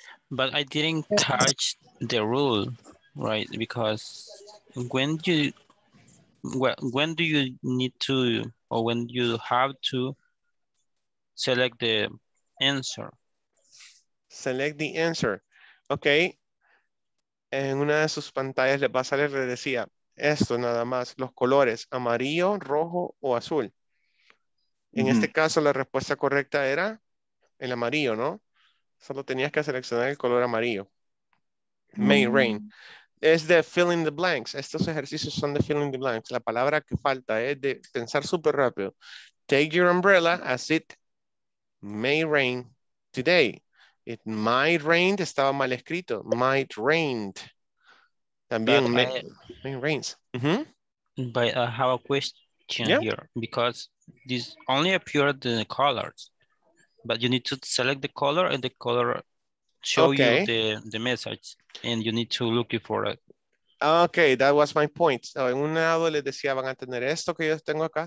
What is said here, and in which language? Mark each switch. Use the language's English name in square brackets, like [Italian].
[English] But I didn't touch the rule, right? Because when do you need to, or when you have to select the answer. Select the answer. Okay. [Spanish] En una de sus pantallas les va a salir, le decía, esto nada más, los colores, amarillo, rojo o azul. En este caso, la respuesta correcta era el amarillo, ¿no? Solo tenías que seleccionar el color amarillo. [English] May rain. [Spanish] Es de fill in the blanks. Estos ejercicios son de fill in the blanks. La palabra que falta es de pensar súper rápido. [English] Take your umbrella as it may rain today. It might rain, [Spanish] estaba mal escrito. [English] Might rain. También may rains. But I have a question here because this only appeared the colors, but you need to select the color and the color show you the message and you need to look for it. Okay, that was my point. [Spanish] So, en un lado les decía, van a tener esto que yo tengo acá.